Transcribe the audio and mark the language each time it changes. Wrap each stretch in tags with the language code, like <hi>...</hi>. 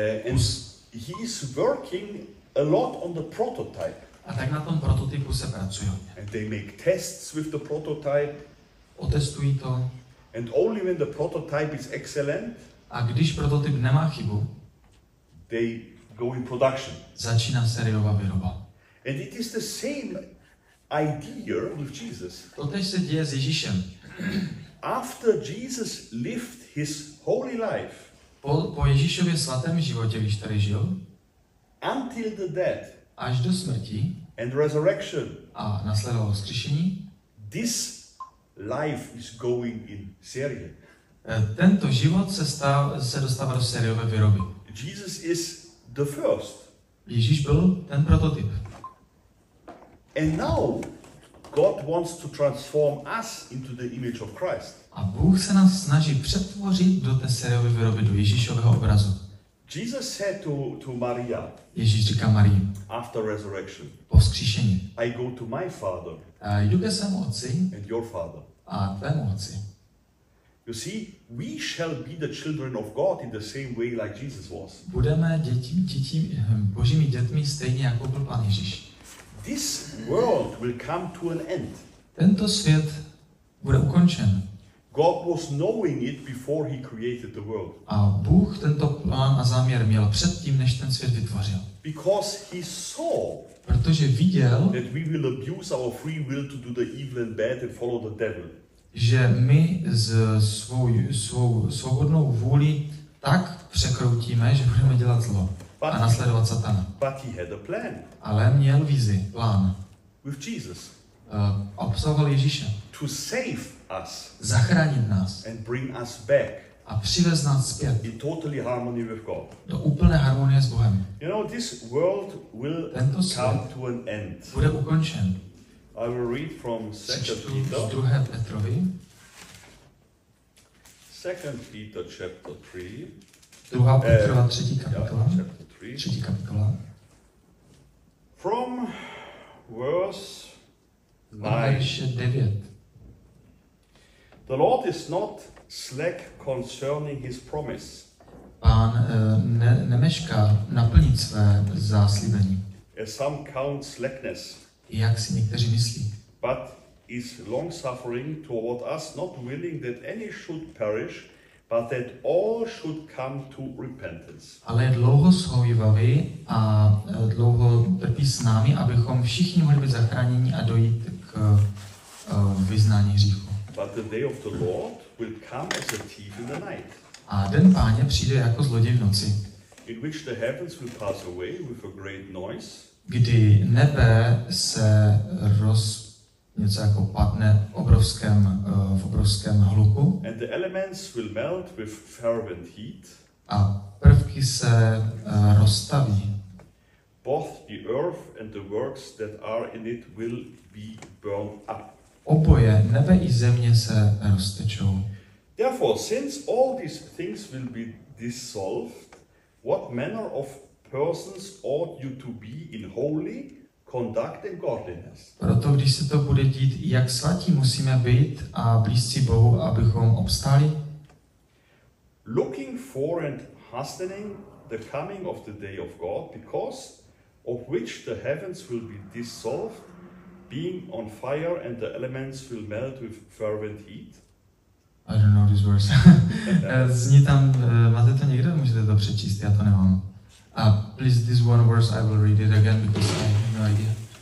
<en>And he's working a lot on the prototype.</en> <cs>A tak na tom prototypu se pracuje.</cs> <en>And they make tests with the prototype.</en> <cs>Otestují to.</cs> <en>And only when the prototype is excellent.</en> <cs>A když prototyp nemá chybu,</cs> <en>they go in production.</en> <cs>Začíná sériová výroba.</cs> <en>And it is the same idea with Jesus.</en> <cs>Totéž se děje s Ježíšem.</cs> <en>After Jesus lived his holy life.</en> <cs>Po Ježíšově svatém životě, když tady žil.</cs> <en>Until the death.</en> <cs>Až do smrti.</cs> <en>And resurrection.</en> <cs>A následovalo vzkříšení.</cs> <en>This life is going in serie.</en> <cs>Tento život se dostává do sériové výroby.</cs> <en>Jesus is the first.</en> <cs>Ježíš byl ten prototyp.</cs> <en>And now God wants to transform us into the image of Christ.</en> <cs>A Bůh se nás snaží přetvořit do té sériové výroby, do Ježíšového obrazu.</cs> <en>Jesus said to Maria.</en> <cs>Ježíš říká Marii.</cs> <en>After resurrection.</en> <cs>Po vzkříšení.</cs> <en>I go to my father.</en> <cs>A jdu ke svému otci.</cs> <en>And your father.</en> <cs>A tvému otci.</cs> <en>You see, we shall be the children of God in the same way like Jesus was.</en> <cs>Budeme děti Božími dětmi stejně jako byl Pán Ježíš.</cs> <en>This world will come to an end.</en> <cs>Tento svět bude ukončen.</cs> <en>God was knowing it before he created the world.</en> <cs>A Bůh tento plán a záměr měl předtím, než ten svět vytvořil.</cs> <en>Because he saw.</en> <cs>Protože viděl.</cs> <en>That we will abuse our free will to do the evil and bad and follow the devil.</en> <cs>Že my z svou svobodnou vůli tak překroutíme, že budeme dělat zlo a nasledovat Satana.</cs> <en>But he had a plan.</en> <cs>Ale měl vizi, plán.</cs> <en>With Jesus.</en> <cs>Obsahoval Ježíše.</cs> <en>To save us.</en> <cs>Zachránit nás.</cs> <en>And bring us back.</en> <cs>A přivez nás zpět.</cs> <en>In totally harmony with God.</en> <cs>Do úplné harmonie s Bohem.</cs> <en>You know, this world will</en> <cs>tento</cs> <en>come to an end.</en> <cs>Bude ukončen.</cs> <en>I will read from 2 Peter chapter 3.</en> <cs>2. Petrova 3. kapitola.</cs> <en>Yeah,</en> <cs>3. kapitola.</cs> <en>From verse 9.</en> <cs>9.</cs> <en>The Lord is not slack concerning his promise.</en> <cs>Pán nemeška naplnit své záslíbení.</cs> <en>As some count slackness.</en> <cs>Jak si někteří myslí.</cs> <en>But is long suffering toward us, not willing that any should perish, but that all should come to repentance.</en> <cs>Ale je dlouho shovívavý a dlouho trpí s námi, abychom všichni mohli být zachráněni a dojít k vyznání hříchu.</cs> <en>But the day of the Lord will come as a thief in the night.</en> <cs>A den Páně přijde jako zloděj v noci.</cs> <en>In which the heavens will pass away with a great noise.</en> <cs>Kdy nebe se něco jako padne v obrovském hluku.</cs> <en>And the elements will melt with fervent heat.</en> <cs>A prvky se rozstaví.</cs> <en>Both the earth and the works that are in it will be burned up.</en> <cs>Oboje, nebe i země se roztečou.</cs> <en>Therefore, since all these things will be dissolved, what manner of persons ought you to be in holy conduct and godliness.</en> <cs>Proto když se to bude dít, jak svatí musíme být a blízci Bohu, abychom obstáli.</cs> <en>Looking for and hastening the coming of the day of God, because of which the heavens will be dissolved, being on fire and the elements will melt with fervent heat. I don't know this verse.</en> <cs>Zní tam, máte to někde, můžete to přečíst, já to nemám.</cs> <en>Please, this one verse, I will read it again, because I have no idea.</en>